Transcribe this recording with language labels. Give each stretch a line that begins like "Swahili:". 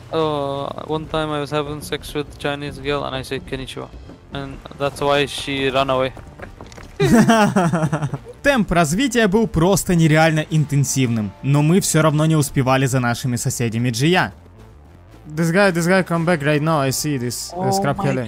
English: Oh, one time I was having sex with a Chinese girl and I said konnichiwa. And that's why she ran away.
Russian: Темп развития был просто нереально интенсивным, но мы все равно не успевали за нашими соседями Джия.
English: This guy come back right now. I see this scrap heli.